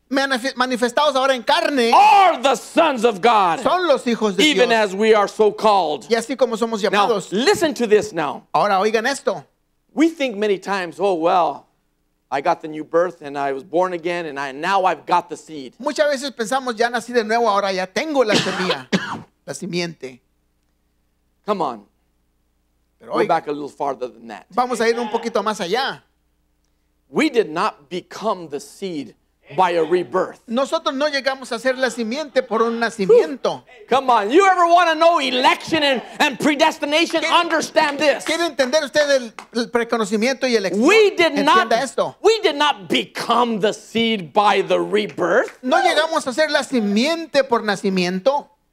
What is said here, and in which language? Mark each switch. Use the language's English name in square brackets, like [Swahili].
[Spanish] manifestados ahora en carne, [English] are the sons of God. [Spanish] Son los hijos de [English] even [Spanish] Dios, [English] as we are so called. [Spanish] Y así como somos llamados. [English] Now, listen to this now. [Spanish] Ahora oigan esto. [English] We think many times, oh well, I got the new birth and I was born again and now I've got the seed. [Spanish] Muchas veces pensamos ya nací de nuevo, ahora ya tengo la semilla, la simiente. [English] Come on. [Spanish] Pero hoy, [English] go back a little farther than that. [Spanish] Vamos a ir un poquito más allá. [English] We did not become the seed by a rebirth. [Spanish] Nosotros no llegamos a ser la simiente por un nacimiento. [English] Come on. You ever want to know election and predestination? Understand this. [Spanish] ¿Quiere entender usted el preconocimiento y elección? [English] We did not, [Spanish] entienda esto. [English] We did not become the seed by the rebirth. [Spanish] No llegamos a ser la simiente por nacimiento.